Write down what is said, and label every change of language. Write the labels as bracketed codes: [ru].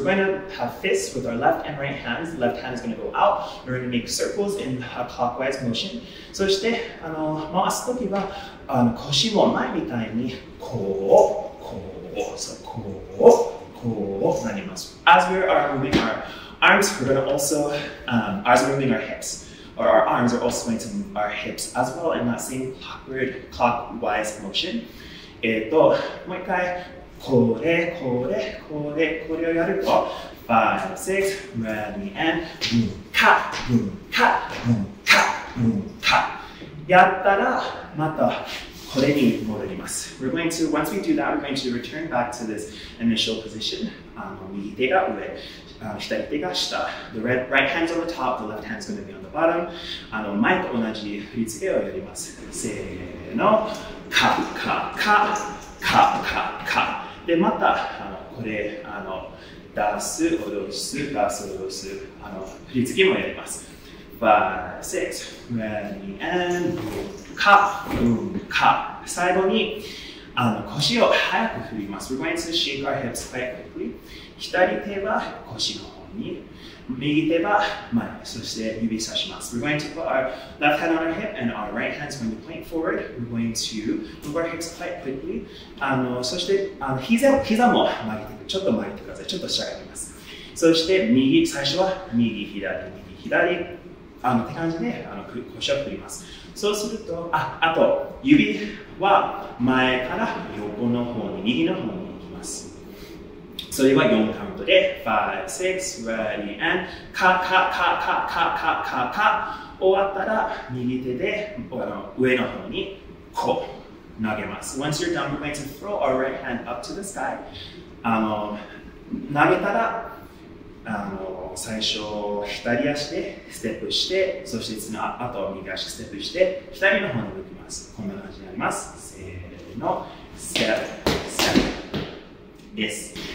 [en] We're going to have fists with our left and right hands. Left hand is going to go out. We're going to make circles in a clockwise motion. [ja] そして、回すときは、腰も前みたいに、こう、こう、そう、こう、こうなります。 [en] As we are moving our arms, we're going to also, as we're moving our hips, or our arms are also going to move our hips as well in that same clockwise motion. [ja] もう一回、これ、これ、これ、これをやると、 [en] 5, 6, ready, and boom, cut, boom, cut, boom, cut, boom, cut. [ja] やったら、またこれに戻ります。 [en] We're going to, once we do that, we're going to return back to this initial position. [ja] 右手が上、左手が下。 [en] The red, right hand's on the top, the left hand's gonna be on the bottom. [ja] 前と同じ振り付けをやります。せーの。カッカッカッカッカッカッ。で、また、これ、ダンス、踊りす、ダンス、踊りす、振り付けもやります。 [en] 5、6、ready, and, カッ、ブン、カッ。 [ja] 最後に、腰を早く振ります。 [en] We're going to shake our hips quite quickly. [ja] 左手は腰の方に、右手は前、そして指さします。 [en] We're going to put our left hand on our hip and our right hand's going to point forward. We're going to move our hips quite quickly. [ja] そして膝も曲げてください。ちょっと曲げてください。ちょっとしゃがみます。そして右、最初は右、左、右、左。って感じで腰を振ります。そうすると、あと指は前から横の方に、右の方に行きます。それは4カウントで、5、6、 [en] ready, and [ja] カッカッカッカッカッカッカッカッ。終わったら右手で上の方にこう投げます。 [en] Once you're done, we're going to throw our right hand up to the sky. [ja] 投げたら最初左足でステップして、そしてその後右足ステップして、左の方に向きます。こんな感じになります。せーの、ステップ、ステップです。